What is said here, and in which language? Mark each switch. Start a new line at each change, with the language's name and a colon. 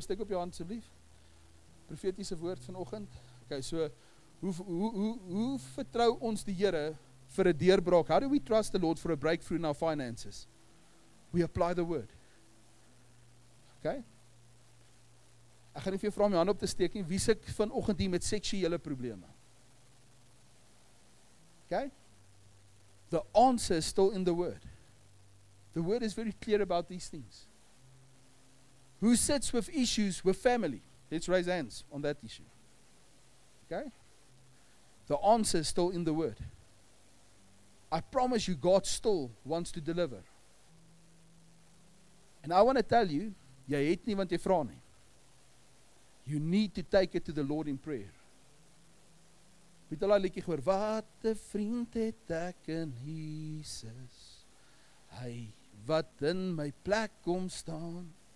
Afrikaans: Steek op jou hand asseblief. Profetiese woord vanoggend. Okay, so hoe vertrou ons die Here vir 'n deurbraak?
English: How do we trust the Lord for a breakthrough in our finances? We apply the word. Okay?
Afrikaans: Ek gaan nie vir jou vra om jou hand op te steek nie. Wie sit vanoggend hier met seksuele probleme?
English: Okay? The answer is still in the word. The word is very clear about these things. Who sits with issues with family? Let's raise hands on that issue. Okay? The answer is still in the word. I promise you, God still wants to deliver. And I want to tell you,
Afrikaans: jy het nie want jy vra nie.
English: You need to take it to the Lord in prayer.
Afrikaans: Het al liedjie gehoor, wat 'n vriend het ek in Jesus. Hy wat in my plek kom staan.